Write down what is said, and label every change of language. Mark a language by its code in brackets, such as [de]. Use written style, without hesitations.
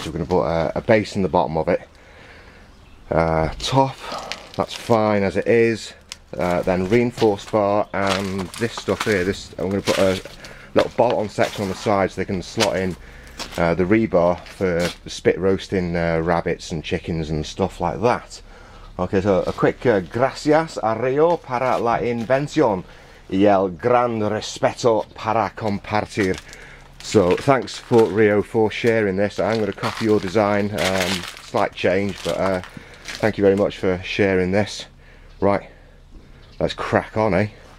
[en] So we're going to put a base in the bottom of it. Top, that's fine as it is. Then reinforced bar and this stuff here. This I'm going to put a little bolt-on section on the side so they can slot in the rebar for spit roasting rabbits and chickens and stuff like that. Okay, so a quick [es] gracias a Rio para la invención y el gran respeto para compartir. [en] So thanks for Rio for sharing this. I'm going to copy your design, slight change, but thank you very much for sharing this. Right, let's crack on, eh?